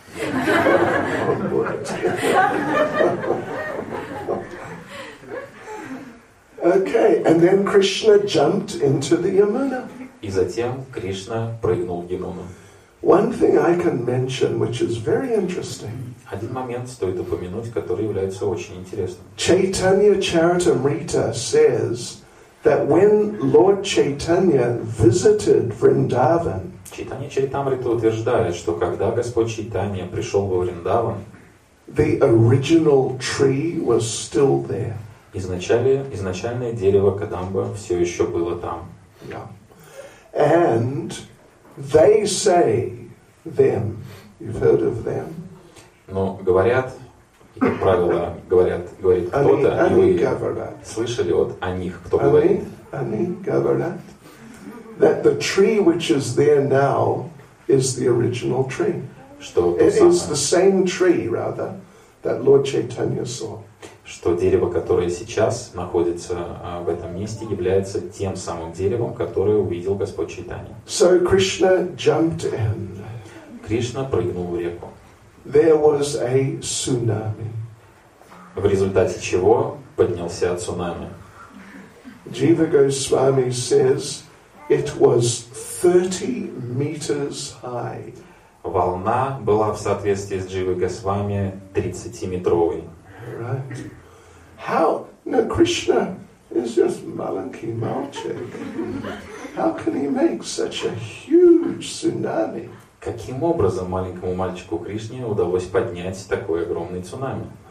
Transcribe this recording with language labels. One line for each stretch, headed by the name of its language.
English: Oh, okay, and then Krishna jumped into the Yamuna.
Russian: И затем Кришна прыгнул в Ямуну.
English: One thing I can mention, which is very interesting.
Russian: Один момент стоит упомянуть, который является очень интересным.
English: Chaitanya Charitamrita says that when Lord Chaitanya visited Vrindavan.
Russian: Chaitanya Charitamrita утверждает, что когда Господь Чайтанья пришел во Вриндаван,
English: the original tree was still there.
Russian: Изначальное дерево Кадамба все еще было там.
English: Yeah. And they say them. You've heard of them.
Russian: Но говорят, как правило, говорит кто-то, и вы слышали вот о них, кто говорит. Они говорят,
English: that the tree which is there now is the original tree.
Russian: Что
English: it is the same tree, rather, that Lord Chaitanya saw.
Russian: Что дерево, которое сейчас находится в этом месте, является тем самым деревом, которое увидел Господь Чайтанья.
English: So Krishna jumped in.
Russian: Кришна прыгнул в реку.
English: There was a tsunami.
Russian: В результате чего поднялся цунами.
English: Jiva Goswami says it was 30 meters high.
Russian: Волна была в соответствии с Jiva Goswami 30-метровой.
English: Right. How? Now Krishna is just
Russian: Malanki Malchik.
English: How can he make such a huge tsunami?
Russian: Каким образом маленькому мальчику Кришне удалось поднять такой огромный цунами?